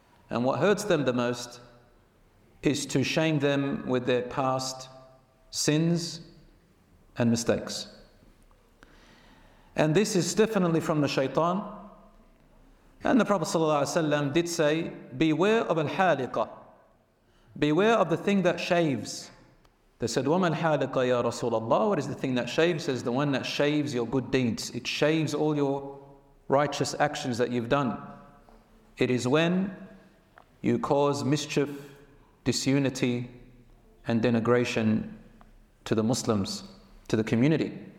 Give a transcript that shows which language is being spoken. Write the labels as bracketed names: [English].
[English] And what hurts them the most is to shame them with their past sins and mistakes. And this is definitely from the shaitan. And the Prophet sallallahu alaihi wasallam did say, beware of al-haliqa, beware of the thing that shaves. They said, [Arabic] وَمَا الْحَالِقَ يَا رَسُولَ اللَّهِ. [English] What is the thing that shaves? Says, the one that shaves your good deeds. It shaves all your righteous actions that you've done. It is when you cause mischief, disunity, and denigration to the Muslims, to the community.